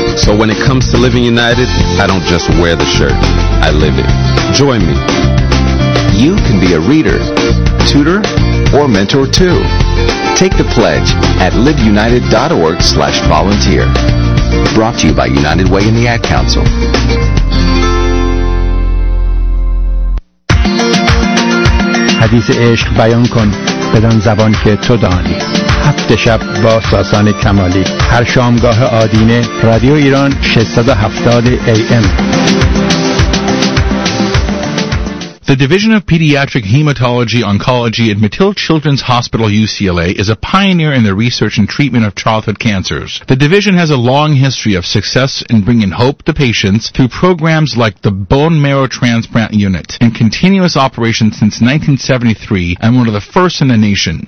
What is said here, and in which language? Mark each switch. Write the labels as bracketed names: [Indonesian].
[English] So when it comes to living united, I don't just wear the shirt, I live it. Join me. You can be a reader, tutor, or mentor too. Take the pledge at liveunited.org/volunteer. Brought to you by United Way and the Ad Council. [Persian] حدیث عشق بیان کن بدان زبان که تو دانی. هفت شب با ساسان کمالی، هر شامگاه آدینه، رادیو ایران 670 AM. [English] The Division of Pediatric Hematology, Oncology at Matil Children's Hospital, UCLA, is a pioneer in the research and treatment of childhood cancers. The division has a long history of success in bringing hope to patients through programs like the Bone Marrow Transplant Unit, in continuous operation since 1973 and one of the first in the nation.